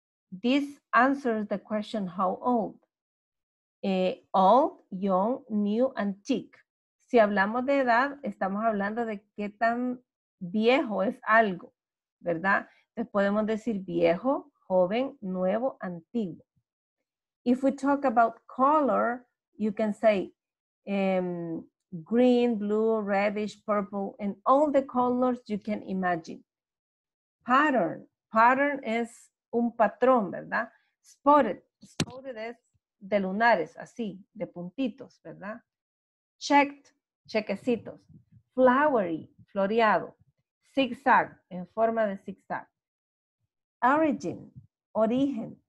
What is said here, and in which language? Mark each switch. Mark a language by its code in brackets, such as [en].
[en] This answers the question how old. Old, young, new, antique. [es] Si hablamos de edad, estamos hablando de qué tan viejo es algo, ¿verdad? Entonces podemos decir viejo, joven, nuevo, antiguo. [en] If we talk about color, you can say green, blue, reddish, purple, and all the colors you can imagine. [es] Pattern. Pattern es un patrón, ¿verdad? Spotted. Spotted es de lunares, así, de puntitos, ¿verdad? Checked. Chequecitos. Flowery. Floreado. Zigzag. En forma de zigzag. Origin. Origen.